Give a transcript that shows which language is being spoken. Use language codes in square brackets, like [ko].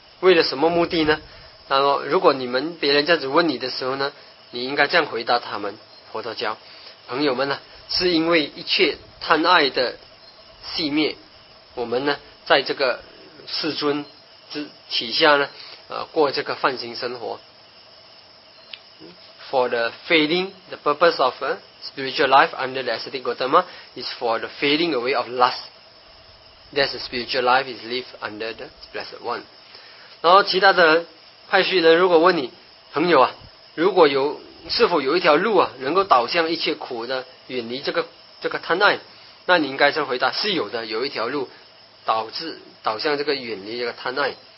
[zh] 为了什么目的呢？那么如果你们别人这样子问你的时候呢，你应该这样回答他们，佛陀教朋友们呢，是因为一切贪爱的熄灭，我们呢在这个世尊之体下呢过这个梵行生活。 [en] For the fading, the purpose of spiritual life under the ascetic Gotama is for the fading away of lust. That's the spiritual life is lived under the Blessed One. [zh] 然后其他的派系人如果问你，朋友啊，如果有是否有一条路啊能够导向一切苦的，远离这个贪爱，那你应该是回答是有的，有一条路导向这个远离这个贪爱。